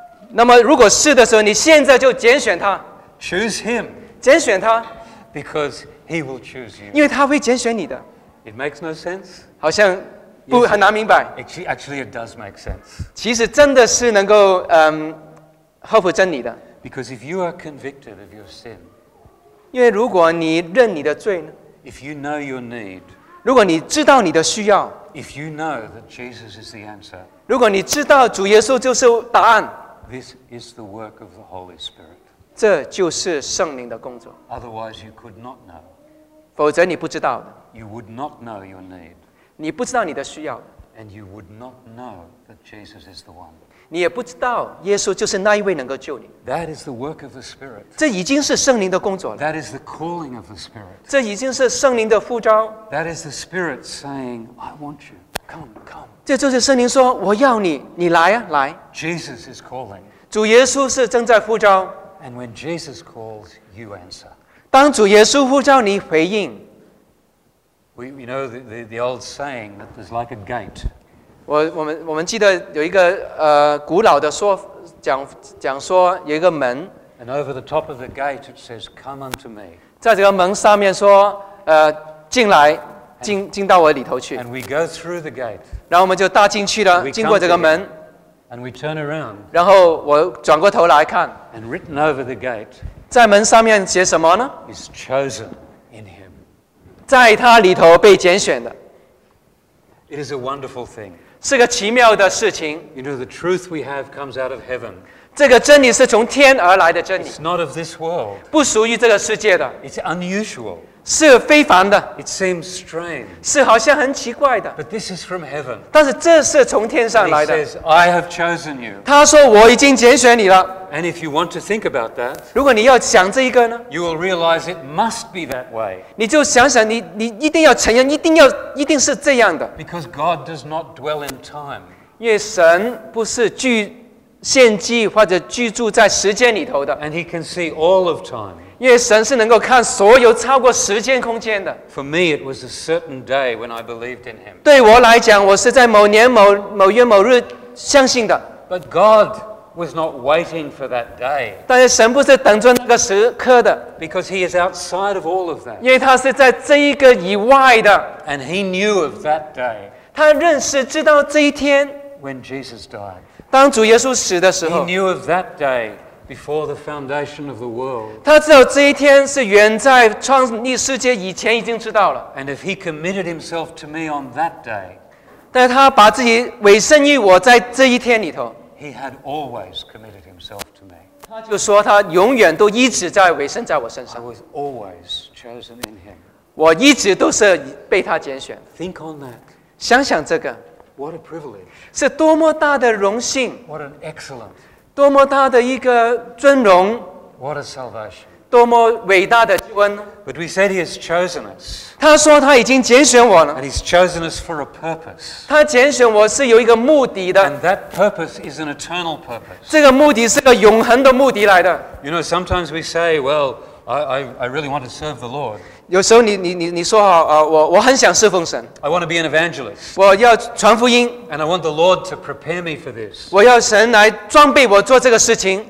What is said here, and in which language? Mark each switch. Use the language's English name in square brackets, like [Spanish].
[Chinese] 那么如果是的时候，你现在就拣选他。 [English] Choose him. [Chinese] 拣选他。 [English] Because he will choose you. [Chinese] 因为他会拣选你的。 [English] It makes no sense. [Chinese] 好像不很难明白。 [English] Actually, it does make sense. [Chinese] 其实真的是能够合乎真理的。 [English] Because if you are convicted of your sin, [Chinese] 因为如果你认你的罪呢 [English] ？If you know your need. [Chinese] 如果你知道你的需要 [English] If you know that Jesus is the answer, [Chinese] 如果你知道主耶稣就是答案 [English] This is the work of the Holy Spirit. [Chinese] 这就是圣灵的工作。 [English] Otherwise, you could not know. [Chinese] 否则你不知道的。 [English] You would not know your need. [Chinese] 你不知道你的需要的。 [English] And you would not know that Jesus is the one. [Chinese] 你也不知道耶稣就是那一位能够救你。 [English] That is the work of the Spirit. [Chinese] 这已经是圣灵的工作了。 [English] That is the calling of the Spirit. [Chinese] 这已经是圣灵的呼召。 [English] That is the Spirit saying, "I want you. Come, come." [Chinese] 这就是圣灵说，我要你，你来啊，来。 [English] Jesus is calling. [Chinese] 主耶稣是正在呼召。 [English] And when Jesus calls, you answer. [Chinese] 当主耶稣呼召你回应。 [English] We know the old saying that there's like a gate. [Chinese] 我们记得有一个古老的说讲说有一个门。 [English] And over the top of the gate it says, "Come unto me." [Chinese] 在这个门上面说进来进到我里头去。 [English] And we go through the gate. [Chinese] 然后我们就大进去了，经过这个门。 [English] And we turn around. [Chinese] 然后我转过头来看。 [English] And written over the gate, [Chinese] 在门上面写什么呢？ [English] Is chosen in Him. [Chinese] 在他里头被拣选的。 [English] It is a wonderful thing. [Chinese] 是个奇妙的事情。 [English] You know, the truth we have comes out of heaven. [Chinese] 这个真理是从天而来的真理。 [English] It's not of this world. [Chinese] 不属于这个世界的。 [English] It's unusual. [Chinese] 是非凡的。 [English] It seems strange. [Chinese] 是好像很奇怪的。 [English] But this is from heaven. [Chinese] 但是这是从天上来的。 [English] He says, "I have chosen you." [Chinese] 他说我已经拣选你了。 [English] And if you want to think about that, [Chinese] 如果你要想这一个呢， [English] you will realize it must be that way. [Chinese] 你就想想你一定要承认，一定是这样的。 [English] Because God does not dwell in time. [Chinese] 因为神不是居献祭或者居住在时间里头的。 [English] And He can see all of time. [Chinese] 因为神是能够看所有超过时间空间的。 [English] For me, it was a certain day when I believed in Him. [Chinese] 对我来讲，我是在某年某月某日相信的。 [English] But God was not waiting for that day. [Chinese] 但是神不是等着那个时刻的。 [English] Because He is outside of all of that. [Chinese] 因为他是在这一个以外的。 [English] And He knew of that day. [Chinese] 他认识知道这一天。 [English] When Jesus died. [Chinese] 当主耶稣死的时候。 [English] He knew of that day before the foundation of the world. [Chinese] 他知道这一天是远在创立世界以前已经知道了。 [English] And if He committed Himself to me on that day. [Chinese] 但他把自己委身于我在这一天里头。 [English] He had always committed Himself to me. [Chinese] 他就说他永远都一直在委身在我身上。 [English] I was always chosen in Him. [Chinese] 我一直都是被他拣选。 [English] Think on that. [Chinese] 想想这个。 [English] What a privilege. [Chinese] 是多么大的荣幸。 [English] What an excellent. [Chinese] 多么大的一个尊荣。 [English] What a salvation. [Chinese] 多么伟大的救恩。 [English] But we said He has chosen us. [Chinese] 他说他已经拣选我了。 [English] And He's chosen us for a purpose. [Chinese] 他拣选我是有一个目的的。 [English] And that purpose is an eternal purpose. [Chinese] 这个目的是个永恒的目的来的。 [English] You know, sometimes we say, "Well, I really want to serve the Lord." [Chinese] 有时候你说好啊，我很想侍奉神。 [English] I want to be an evangelist. [Chinese] 我要传福音。 [English] And I want the Lord to prepare me for this. [Chinese] 我要神来装备我做这个事情。